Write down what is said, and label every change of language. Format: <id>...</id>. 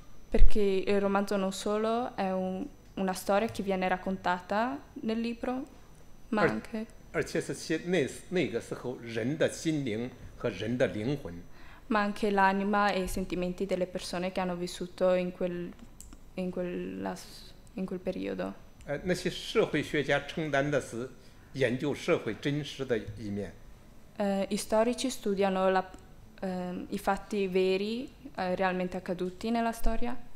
<it>perché il romanzo non solo è una storia che viene raccontata nel libro, ma anche</it> <zh>而且是写那个时候人的心灵和人的灵魂,</zh> <it>ma anche l'anima e i sentimenti delle persone che hanno vissuto in quel periodo.</it> <zh>那些社会学家承担的是研究社会真实的一面。</zh> <it>I storici studiano i fatti veri realmente accaduti nella storia.</it>